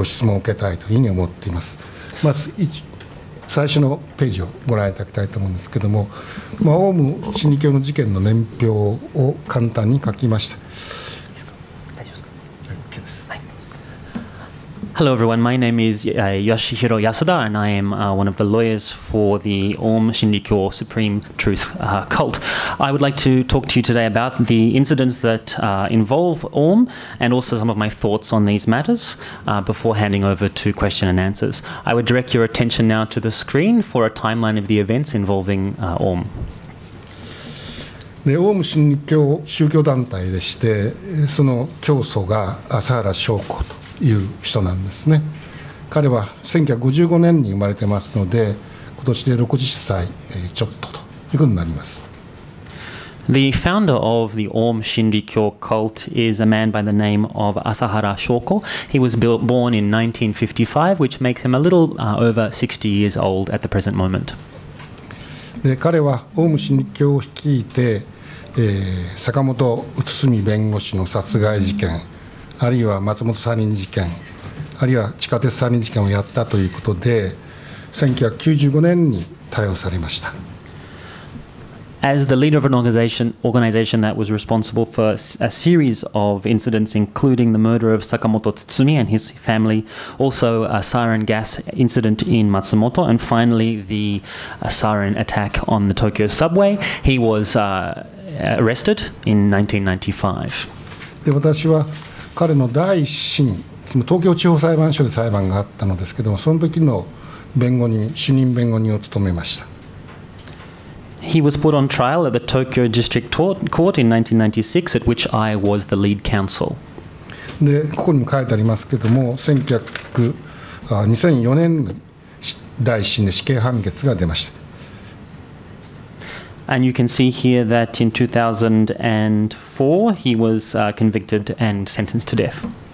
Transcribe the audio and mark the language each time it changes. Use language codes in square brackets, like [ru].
[ja] そしてお呼び、ありがとうございます。こんにちは。弁護士をやってます安田と言います。今日はお招きいただきまして、どうもありがとうございます。オウム真理教の事件について、私が体験したこと、あるいは考えていることについて、最初お話をさせていただいて、皆さんからのご質問を受けたいというふうに思っています。まず最初のページをご覧いただきたいと思うんですけども、オウム真理教の事件の年表を簡単に書きました。 [en] Hello everyone, my name is Yoshihiro Yasuda and I am one of the lawyers for the Aum Shinrikyo Supreme Truth cult. I would like to talk to you today about the incidents that involve Aum and also some of my thoughts on these matters before handing over to question and answers. I would direct your attention now to the screen for a timeline of the events involving Aum. [ja] でオウム真理教宗教団体でして、その教祖が朝原祥子という人なんですね。彼は1955年に生まれてますので、今年で60歳ちょっとということになります。 [en] The founder of the Aum Shinrikyo cult is a man by the name of Asahara Shoko. He was born in 1955, which makes him a little over 60 years old at the present moment. [ja] で彼はオウム真理教を率いて、坂本宇都宮弁護士の殺害事件、あるいは松本サリン事件、あるいは地下鉄サリン事件をやったということで、1995年に逮捕されました。 [en] As the leader of an organization that was responsible for a series of incidents, including the murder of Sakamoto Tsutsumi and his family, also a sarin gas incident in Matsumoto, and finally the sarin attack on the Tokyo subway, he was arrested in 1995. [ja] で、私は彼の第一審、東京地方裁判所で裁判があったのですけども、その時の弁護人、主任弁護人を務めました。 [en] He was put on trial at the Tokyo District Court in 1996, at which I was the lead counsel. [ja] で、ここにも書いてありますけども、2004年に第一審で死刑判決が出ました。 [en] And you can see here that in 2004, he was convicted and sentenced to death.